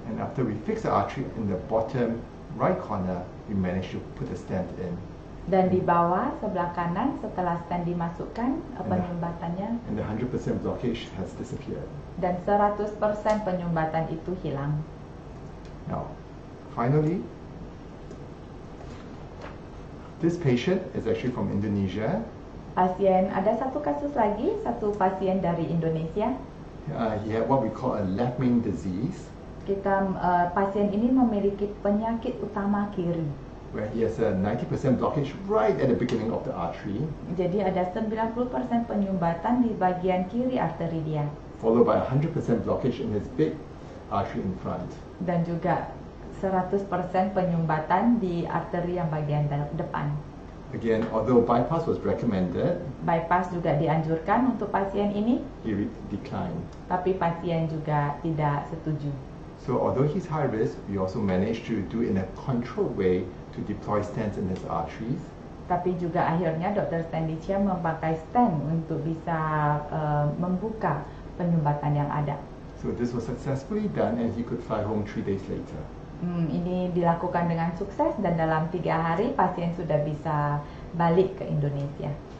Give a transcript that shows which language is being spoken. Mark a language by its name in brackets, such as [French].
[English] And after we fix the artery in the bottom right corner, we managed to put a stent in. [Indonesian] Dan di bawah sebelah kanan setelah stent dimasukkan penyumbatannya. [English] And the 100% blockage has disappeared. [Indonesian] Dan 100% penyumbatan itu hilang. [English] Now, finally, this patient is actually from Indonesia. [Indonesian] Pasien, ada satu kasus lagi, satu pasien dari Indonesia. [English] He had what we call a left main disease. [Indonesian] Pasien ini memiliki penyakit utama kiri. [English] Where he has a 90% blockage right at the beginning of the artery. [Indonesian] Jadi ada 90% penyumbatan di bagian kiri arteri dia. [English] Followed by 100% blockage in his big artery in front. [Indonesian] Dan juga 100% penyumbatan di arteri yang bagian depan. [English] Again, although bypass was recommended, [Indonesian] bypass juga dianjurkan untuk pasien ini. [English] He declined. [Indonesian] Tapi pasien juga tidak setuju. [English] So although he's high risk, we also managed to do in a controlled way to deploy stents in his arteries. [Indonesian] Tapi juga akhirnya Dr. Stanicia memakai stent untuk bisa membuka penyumbatan yang ada. [English] So this was successfully done, and he could fly home 3 days later. [Indonesian] Ini dilakukan dengan sukses dan dalam 3 hari pasien sudah bisa balik ke Indonesia.